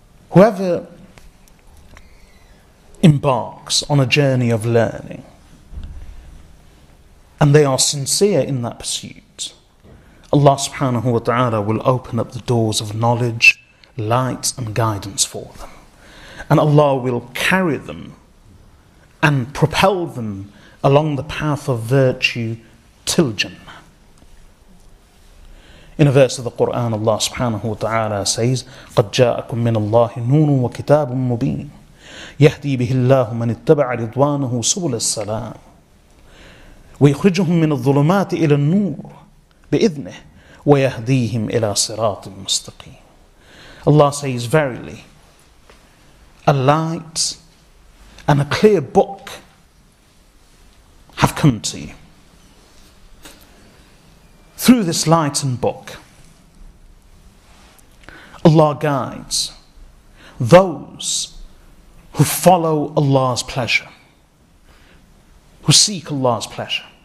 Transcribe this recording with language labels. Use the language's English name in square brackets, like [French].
[English] Whoever embarks on a journey of learning and they are sincere in that pursuit, Allah subhanahu wa ta'ala will open up the doors of knowledge, light and guidance for them. And Allah will carry them and propel them along the path of virtue till Jannah. [Arabic] In a verse of the Quran, Allah subhanahu wa ta'ala says, قَدْ جَاءَكُمْ مِنَ اللَّهِ نُونٌ وَكِتَابٌ مُبِينٌ يَهْدِي بِهِ اللَّهُ مَنِ اتَّبَعَ رِضْوَانَهُ سُبُلَ السَّلَامِ وَيُخْرِجُهُمْ مِنَ الظُّلُمَاتِ إِلَى النُّورِ بِإِذْنِهِ وَيَهْدِيهِمْ إِلَى صِرَاطٍ مُسْتَقِيمٍ. [English] Allah says, verily, a light and a clear book have come to you. Through this light and book, Allah guides those who follow Allah's pleasure, who seek Allah's pleasure.